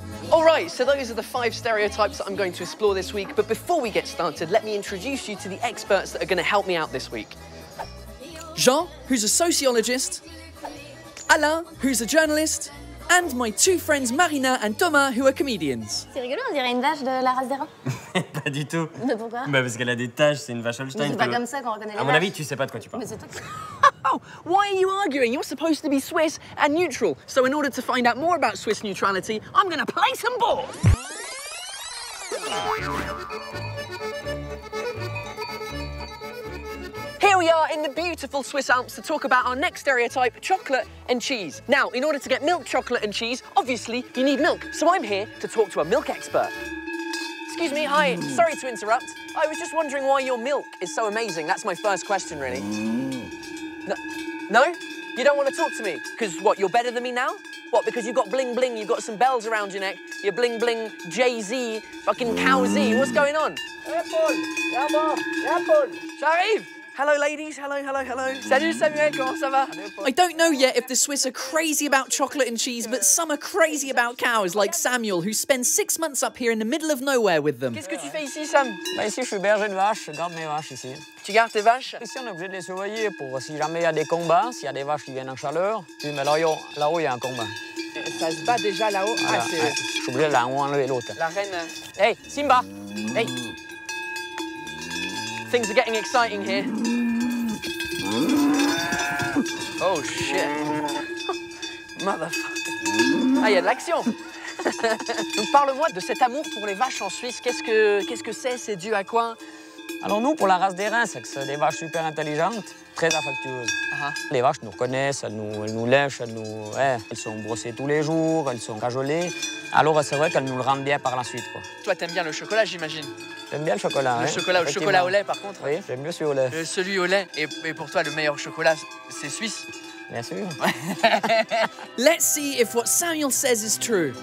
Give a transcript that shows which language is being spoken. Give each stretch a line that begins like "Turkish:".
English: All right, so those are the five stereotypes that I'm going to explore this week. But before we get started, let me introduce you to the experts that are going to help me out this week. Jean, who's a sociologist. Alain, who's a journalist. And my two friends, Marina and Thomas, who are comedians.
French: C'est rigolo, on dirait une vache de la race des rats. Pas du tout. Mais pourquoi? Bah parce qu'elle a des taches, c'est une vache Holstein. Mais c'est pas comme ça qu'on reconnaît les vaches. À mon avis, tu sais pas de quoi tu parles. Mais c'est toi qui...
English: Oh, why are you arguing? You're supposed to be Swiss and neutral. So in order to find out more about Swiss neutrality, I'm gonna play some ball. Here we are in the beautiful Swiss Alps to talk about our next stereotype, chocolate and cheese. Now, in order to get milk, chocolate and cheese, obviously you need milk. So I'm here to talk to a milk expert. Excuse me, hi, sorry to interrupt. I was just wondering why your milk is so amazing. That's my first question, really. No? You don't want to talk to me? Because what, you're better than me now? What, because you've got bling bling, you've got some bells around your neck, you're bling bling Jay-Z, fucking Cow-Z, what's going on? Apple! Apple! Apple! Sharif! Hello, ladies, hello, hello, hello.
French: Salut, Samuel, comment ça va?
English: I don't know yet if the Swiss are crazy about chocolate and cheese, but some are crazy about cows, like Samuel, who spends 6 months up here in the middle of nowhere with them.
French: Qu'est-ce que tu fais ici, Sam? Bah ici, je suis berger de vaches, je garde mes vaches ici. Tu gardes tes vaches? Ici, on est obligé de les surveiller pour si jamais il y a des combats, s'il y a des vaches qui viennent en chaleur. Puis, mais là-haut, il y a un combat. Ça se bat déjà là-haut? Alors, ah, c'est... Je suis obligé de l'enlever l'autre. La reine... Hey, Simba! Hey!
English: Things are getting exciting here. Oh, shit. Motherfucker.
French: Ah, il y a de l'action. Donc, parle-moi de cet amour pour les vaches en Suisse. Qu'est-ce que c'est? C'est dû à quoi? Alors nous, pour la race des reins, c'est des vaches super intelligentes, très affectueuses. Uh-huh. Les vaches nous reconnaissent, elles nous lèchent, elles sont brossées tous les jours, elles sont cajolées. Alors c'est vrai qu'elles nous le rendent bien par la suite, quoi. Toi, t'aimes bien le chocolat, j'imagine. J'aime bien le chocolat, le chocolat, le chocolat au lait, par contre. Oui, j'aime mieux celui au lait. Celui au lait. Et pour toi, le meilleur chocolat, c'est suisse. Bien sûr.
English: Let's see if what Samuel says is true.